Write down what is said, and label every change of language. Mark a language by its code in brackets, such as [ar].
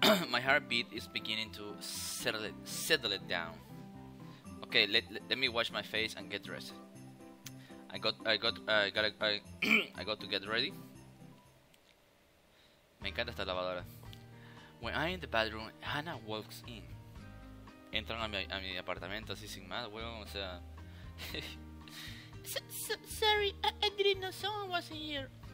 [en] My heartbeat is beginning to settle it down. Okay, let me wash my face and get dressed. I got to get ready. [es] Me encanta esta lavadora. [en] When I'm in the bathroom, Hannah walks in. [es] Entran a mi apartamento así sin más, weón, o sea. [en] Sorry, I didn't know someone was in here.